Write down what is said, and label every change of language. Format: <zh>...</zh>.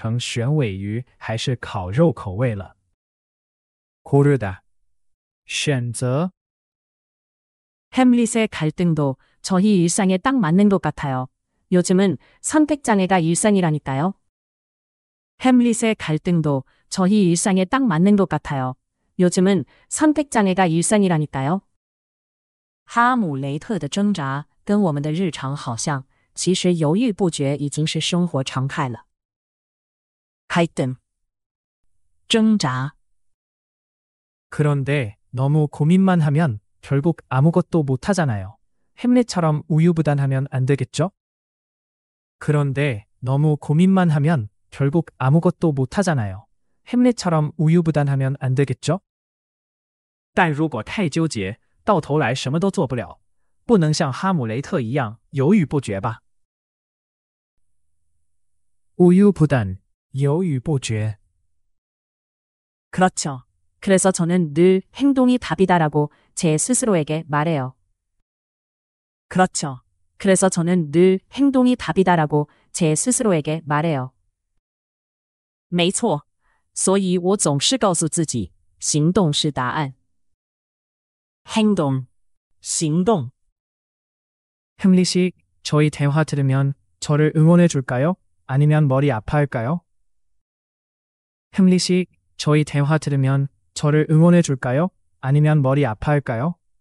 <zh>他说不定就会从生存还是毁灭改成选尾鱼还是烤肉口味了。</zh> <ko>고르다.</ko> <zh>选择.</zh> <ko>햄릿의 갈등도 저희 일상에 딱 맞는 것 같아요. 요즘은 선택장애가 일상이라니까요. 햄릿의 갈등도 저희 일상에 딱 맞는 것 같아요. 요즘은 선택장애가 일상이라니까요.</ko> <zh>哈姆雷特的挣扎跟我们的日常好像，其实犹豫不决已经是生活常态了。갈등，挣扎。</zh> <ko>그런데 너무 고민만 하면 결국 아무것도 못하잖아요. 햄릿처럼 우유부단하면 안 되겠죠? 그런데 너무 고민만 하면 결국 아무것도 못하잖아요. 햄릿처럼 우유부단하면 안 되겠죠?</ko> <zh>但如果太纠结,到头来什么都做不了,不能像哈姆雷特一样,犹豫不决吧。</zh> <ko>우유부단,犹豫不决。 그렇죠. 그래서 저는 늘 행동이 답이다라고 제 스스로에게 말해요. 그렇죠. 그래서 저는 늘 행동이 답이다라고 제 스스로에게 말해요.</ko> <zh>没错. 所以我总是告诉自己,行动是答案.</zh> <ko>행동.</ko> <zh>行动.</zh> <ko>햄릿 씨, 저희 대화 들으면 저를 응원해 줄까요? 아니면 머리 아파할까요? 햄릿 씨, 저희 대화 들으면 저를 응원해 줄까요? 아니면 머리 아파할까요?</ko>